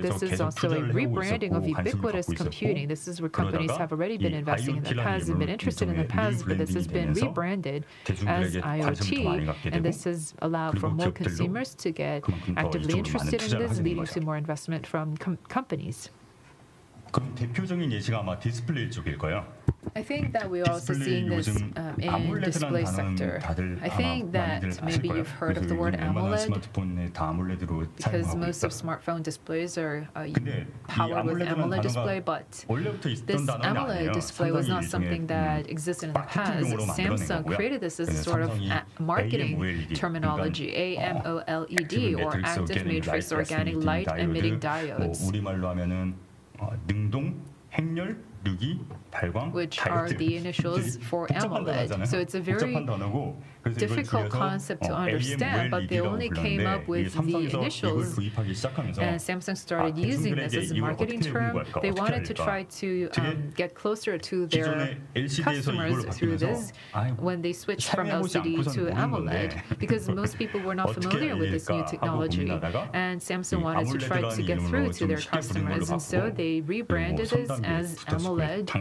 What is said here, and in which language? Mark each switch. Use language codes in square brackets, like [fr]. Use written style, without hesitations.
[en] This is also a rebranding of ubiquitous computing. This is where companies have already been investing in the past and been interested in the past, but this has been rebranded as IoT, and this has allowed for more consumers to get actively interested in this, leading to more investment from companies. [ko] 그럼 대표적인 예시가 아마 디스플레이 쪽일 거예요. [en] I think that we also see this in display sector. I think that maybe you've heard of the word AMOLED because most of smartphone displays are powered with AMOLED display, but this AMOLED display was not something that existed in the past. Samsung created this as a sort of marketing terminology, AMOLED, or Active Matrix Organic Light Emitting Diodes. [ko] 우리말로 하면은 능동 행렬 누기 발광 [en] which are the initials for AMOLED. So it's a very difficult concept to understand, but they only came up with the initials, and Samsung started using this as a marketing term. They wanted to try to get closer to their customers through this when they switched from LCD to AMOLED, because most people were not familiar with this new technology, and Samsung wanted to try to get through to their customers, and so they rebranded this as AMOLED.